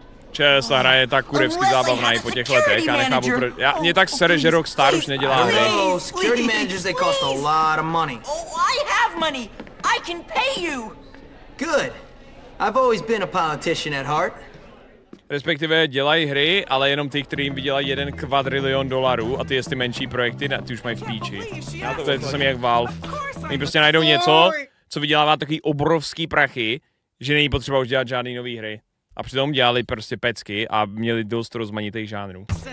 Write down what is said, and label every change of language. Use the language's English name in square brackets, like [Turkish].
[Czech] Čes, ta hra je tak kurevsky zábavná i po těch letech, já nechápu, proč... Mě tak sere, že Rockstar už nedělá hry. [English] Security managers, they cost a lot of money. Oh, I have money! I can pay you! Good. I've always been a politician at heart. [Czech] Respektive dělají hry, ale jenom ty, kteří jim vydělají jeden kvadrilion dolarů a ty jestli menší projekty, ty už mají v píči. To je to samý jak Valve. Oni prostě najdou něco, co vydělává takový obrovský prachy, že není potřeba už dělat žádný nový hry. A přitom dělali prostě pecky a měli dost rozmanitých žánrů.